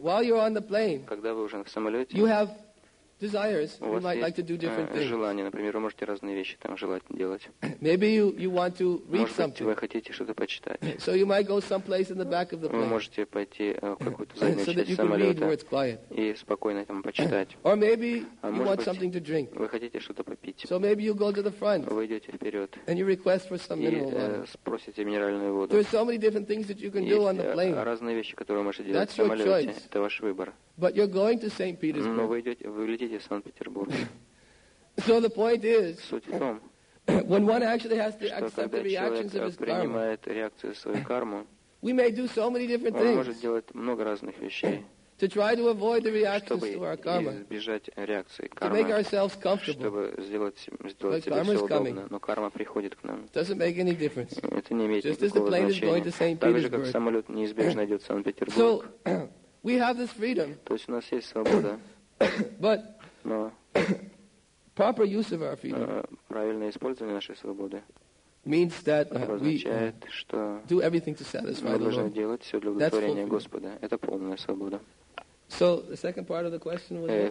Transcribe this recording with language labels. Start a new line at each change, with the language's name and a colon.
English: while you're on the plane, you have desires. You might like to do different things.
Russian: Желания, например, вы можете разные вещи там желать делать.
English: Maybe you want to read something.
Russian: Вы хотите что-то почитать.
English: So you might go someplace in the back of the plane.
Russian: Вы можете пойти в какую-то заднюю часть самолета и спокойно там почитать.
English: Or maybe you want something to drink.
Russian: Вы хотите что-то попить.
English: So maybe you go to the front.
Russian: Вы идете вперед.
English: And you request for some mineral water.
Russian: И спросите минеральную воду.
English: There are so many different things that you can do on the plane.
Russian: Есть разные вещи, которые вы можете делать в самолете. Это ваш выбор.
English: But you're going to St. Petersburg.
Russian: Но вы летите в Санкт-Петербург.
English: So the point is,
Russian: суть в том,
English: when one actually has to accept the reactions of his karma,
Russian: принимает реакцию свою карму,
English: we may do so many different things.
Russian: Он может делать много разных вещей.
English: To try to avoid the reactions to our karma.
Russian: Реакции,
English: to make ourselves comfortable.
Russian: Чтобы сделать себе все удобно. Но карма приходит к нам.
English: Doesn't make any difference.
Russian: Это не имеет никакого значения.
English: Just as the plane is going to St.
Russian: Так же, как самолет неизбежно идет в Санкт-Петербург.
English: So, we have this freedom.
Russian: То есть у нас есть свобода.
English: But
Russian: но
English: proper use of our freedom.
Russian: Правильное использование нашей свободы.
English: Means that
Russian: означает,
English: we
Russian: что
English: do everything to satisfy the Lord.
Russian: Мы должны делать все для удовлетворения Господа. Это полная свобода.
English: So the second part of the question was.